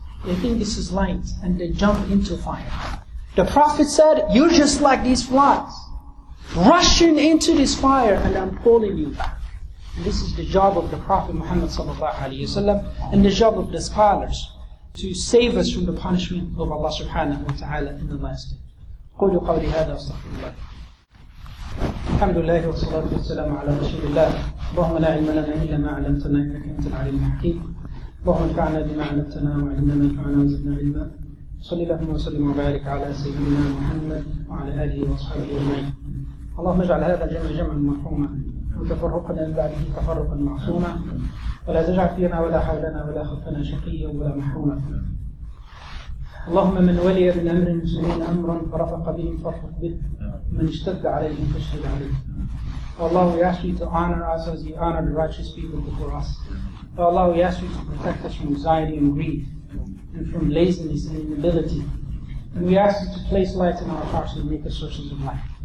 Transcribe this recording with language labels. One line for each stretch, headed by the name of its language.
English: They think this is light, and they jump into fire. The Prophet said, you're just like these flies, rushing into this fire, and I'm pulling you back. And this is the job of the Prophet Muhammad sallallahu alayhi wa sallam, and the job of the scholars, to save us from the punishment of Allah subhanahu wa ta'ala in the last day.
Arabic: قولوا قولي هذا واستغفر. الحمد لله والصلاة والسلام على رسول الله. اللهم لا علم لنا إلا ما علمتنا إنك أنت العليم الحكيم. اللهم انفعنا بما علمتنا وعلمنا ما ينفعنا وزدنا علما. صل اللهم وسلم وبارك على سيدنا محمد وعلى آله وصحبه أجمعين. اللهم اجعل هذا الجمع جمعا مرحوما وتفرقنا من بعده تفرقا معصوما ولا تجعل فينا ولا حولنا ولا خلفنا شقيا ولا محروما. اللهم من ولي من أمر المسلمين أمرا فرفق بهم فرفق به من اشتد عليهم فاشتد عليهم.
English: Allah, we ask you to honor us as you honor the righteous people before us. Allah, we ask you to protect us from anxiety and grief and from laziness and inability. And we ask you to place light in our hearts and make us sources of life.